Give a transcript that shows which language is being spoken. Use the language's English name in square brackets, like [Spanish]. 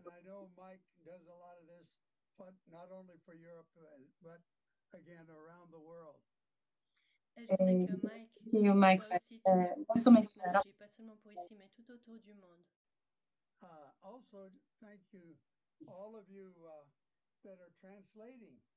[English] I know Mike does a lot of this, but not only for Europe, but again around the world. [French] Et je sais que Mike fait pas seulement pour ici, mais tout autour du monde. [English] Also, thank you, all of you that are translating.